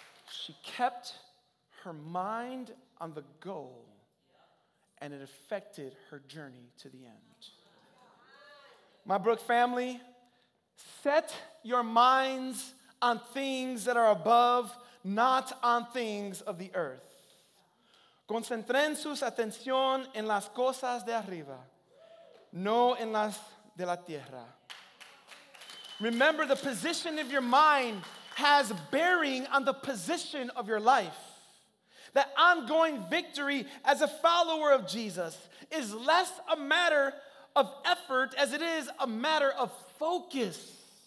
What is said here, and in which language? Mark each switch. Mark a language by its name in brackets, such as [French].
[English] She kept her mind on the goal, and it affected her journey to the end. My Brook family, set your minds on things that are above, not on things of the earth. [Spanish] Concentren sus atención en las cosas de arriba, no en las de la tierra. [English] Remember, the position of your mind has bearing on the position of your life. That ongoing victory as a follower of Jesus is less a matter of effort as it is a matter of focus.